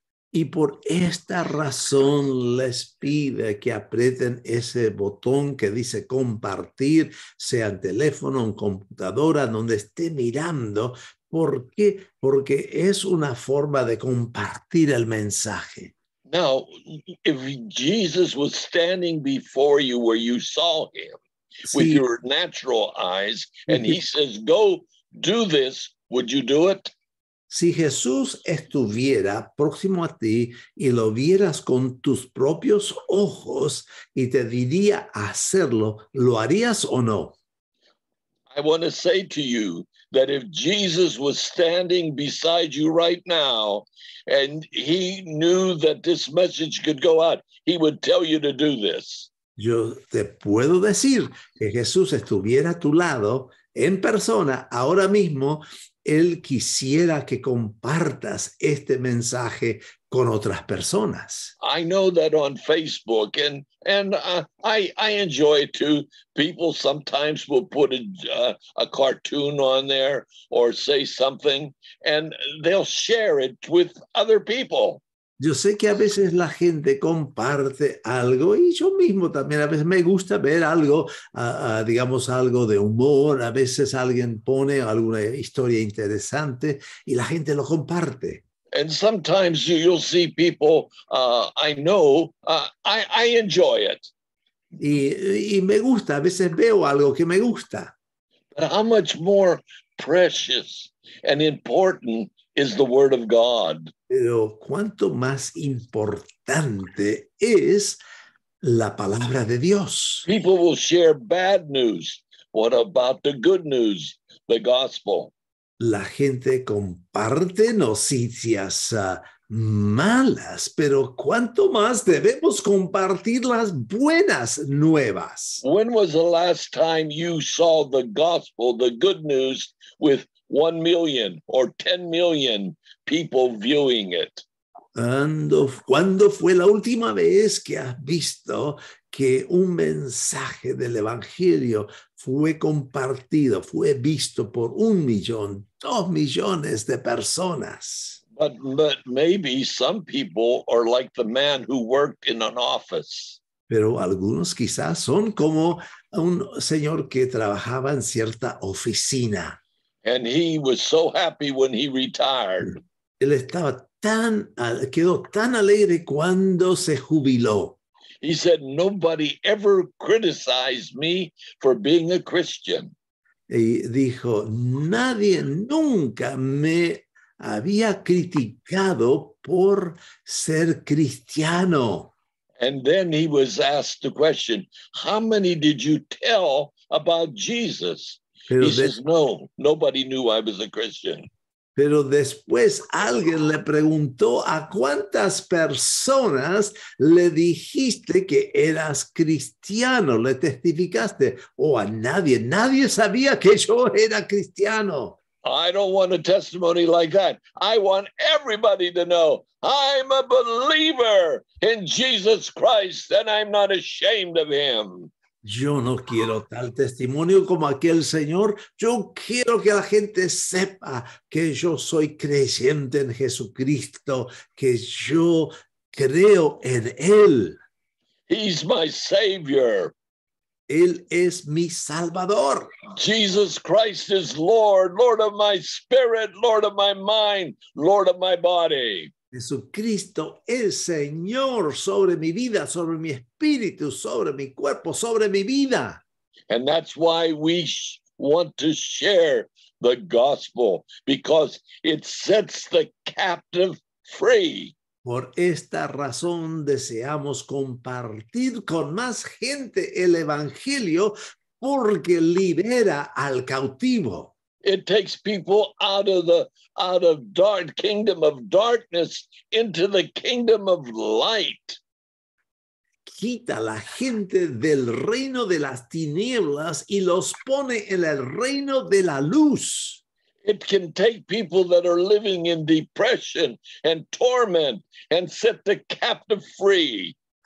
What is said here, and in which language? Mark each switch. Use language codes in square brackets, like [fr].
[es] Y por esta razón les pide que aprieten ese botón que dice compartir, sea en teléfono, en computadora, donde esté mirando. ¿Por qué? Porque es una forma de compartir el mensaje. [en] Now, if Jesus was standing before you where you saw him, sí, with your natural eyes, and he says, go do this, would you do it? [es] Si Jesús estuviera próximo a ti y lo vieras con tus propios ojos y te diría hacerlo, ¿lo harías o no? [en] I want to say to you that if Jesus was standing beside you right now and he knew that this message could go out, he would tell you to do this. [es] Yo te puedo decir que Jesús estuviera a tu lado en persona ahora mismo, Él quisiera que compartas este mensaje con otras personas. [en] I know that on Facebook and I enjoy it too. People sometimes will put a cartoon on there or say something and they'll share it with other people. [es] Yo sé que a veces la gente comparte algo y yo mismo también a veces me gusta ver algo, digamos algo de humor, a veces alguien pone alguna historia interesante y la gente lo comparte. [en] And sometimes you'll see people, I enjoy it. [es] Y me gusta, a veces veo algo que me gusta. [en] But how much more precious and important is the Word of God? [es] Pero cuánto más importante es la palabra de Dios. [en] People will share bad news. What about the good news, the gospel? [es] La gente comparte noticias malas, pero cuánto más debemos compartir las buenas nuevas. [en] When was the last time you saw the gospel, the good news, with 1 million or 10 million people viewing it? [es] ¿Cuándo fue la última vez que has visto que un mensaje del Evangelio fue compartido, fue visto por 1 million, 2 millones de personas? [en] But maybe some people are like the man who worked in an office. [es] Pero algunos quizás son como un señor que trabajaba en cierta oficina. [en] And he was so happy when he retired. [es] Él estaba quedó tan alegre cuando se jubiló. [en] He said, nobody ever criticized me for being a Christian. [es] Y dijo, nadie nunca me había criticado por ser cristiano. [en] And then he was asked the question, how many did you tell about Jesus? Nobody knew I was a Christian. [es] Pero después alguien le preguntó, ¿a cuántas personas le dijiste que eras cristiano? ¿Le testificaste? A nadie. Nadie sabía que yo era cristiano. [en] I don't want a testimony like that. I want everybody to know I'm a believer in Jesus Christ and I'm not ashamed of him. [es] Yo no quiero tal testimonio como aquel señor. Yo quiero que la gente sepa que yo soy creyente en Jesucristo, que yo creo en Él. [en] He's my Savior. [es] Él es mi Salvador. [en] Jesus Christ is Lord, Lord of my spirit, Lord of my mind, Lord of my body. [es] Jesucristo es Señor sobre mi vida, sobre mi espíritu, sobre mi cuerpo, sobre mi vida. [en] And that's why we want to share the gospel, because it sets the captive free. [es] Por esta razón deseamos compartir con más gente el evangelio, porque libera al cautivo. [en] It takes people out of dark kingdom of darkness into the kingdom of light. [es] Quita la gente del reino de las tinieblas y los pone en el reino de la luz. [en] It can take people that are living in depression and torment and set the captive free.